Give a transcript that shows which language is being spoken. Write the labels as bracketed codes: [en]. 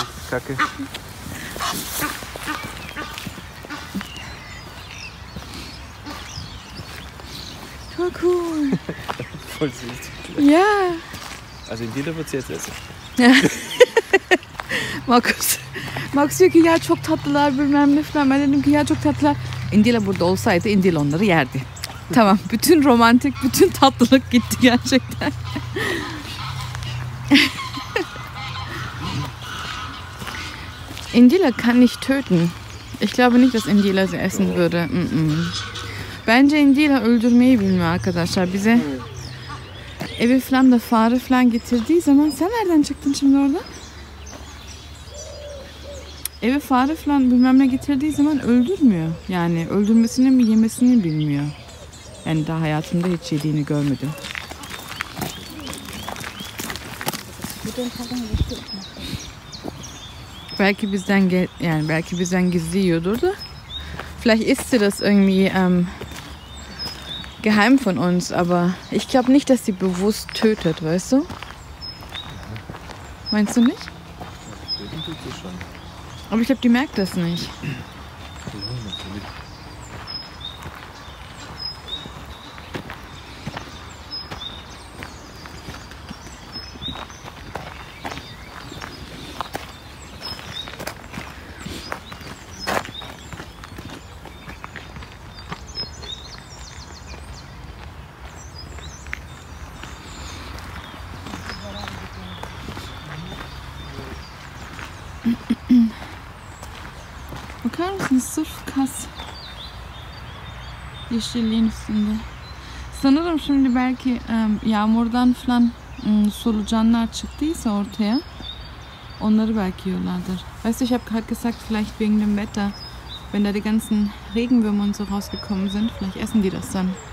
[de] Kacke. Voll cool. Voll süß. Ja. Also in jeder wird's jetzt essen. Ja. Markus. [tr] Markus diyor ki ya çok tatlılar bilmem ne falan. Ben dedim ki ya çok tatlılar. Indila burada olsaydı Indila onları yerdi. Tamam. Bütün romantik, bütün tatlılık gitti gerçekten. [de] Indila kann nicht töten. Ich glaube nicht, dass Indila sie essen würde. [tr] Bence Indila öldürmeyi bilmiyor arkadaşlar. Bize evi falan da fare falan getirdiği zaman... Sen nereden çıktın şimdi orada? Evi fare falan bilmem ne getirdiği zaman öldürmüyor. Yani öldürmesini mi yemesini bilmiyor. Yani daha hayatımda hiç yediğini görmedim. Belki bizden yani belki bizden gizli yiyordur da. [de] Vielleicht ist das irgendwie geheim von uns, aber ich glaube nicht, dass sie bewusst tötet, weißt du? Meinst du nicht? Aber ich glaube, die merkt das nicht. [tr] Bakar mısın? Sırf kas yeşilliğin üstünde. Sanırım şimdi belki yağmurdan falan solucanlar çıktıysa ortaya onları belki yiyorlardır. [de] Weißt du, ich habe gerade gesagt, vielleicht wegen dem Wetter, wenn da die ganzen Regenwürmer und so rausgekommen sind, vielleicht essen die das dann.